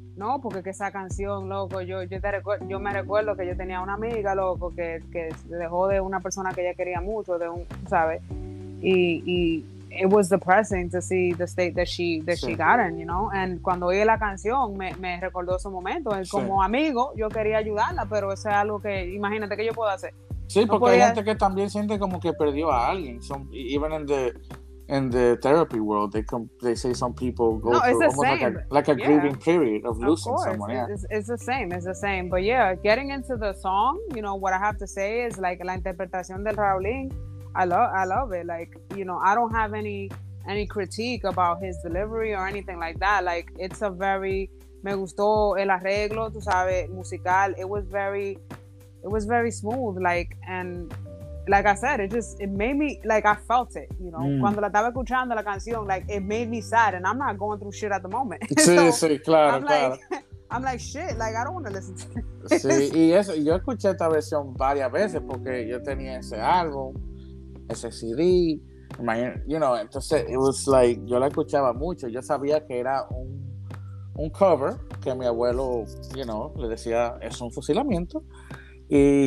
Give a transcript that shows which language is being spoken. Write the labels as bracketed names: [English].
[Spanish] No, porque que esa canción, loco, yo me recuerdo que yo tenía una amiga, loco, que dejó de una persona que ella quería mucho, de un, ¿sabes? [English] Y it was depressing to see the state that she got in, you know? [Spanish] And cuando oí la canción, me recordó ese momento. Sí. Como amigo, yo quería ayudarla, pero eso es algo que, imagínate que yo puedo hacer. Sí, no, porque podía... hay gente que también siente como que perdió a alguien. [English] Even in the therapy world, they say some people go through almost like a grieving period of losing someone. It's the same. But yeah, getting into the song, you know, what I have to say is, like, la interpretación del Raulin, I love it. Like, you know, I don't have any critique about his delivery or anything like that. [Spanish] Like, it's a very, me gustó el arreglo, tú sabes, musical. [English] It was very smooth. Like, and like I said, it made me, like, I felt it, you know. Mm. Cuando la estaba escuchando la canción, like, it made me sad, and I'm not going through shit at the moment. [Spanish] Sí, so, sí, claro, [English] I'm [Spanish] claro. [English] I'm like, shit, like, I don't want to listen to this. [Spanish] Sí, y eso, yo escuché esta versión varias veces porque yo tenía ese álbum. Ese CD, you know, entonces it was like, yo la escuchaba mucho, yo sabía que era un cover que mi abuelo, you know, le decía, es un fusilamiento. Y...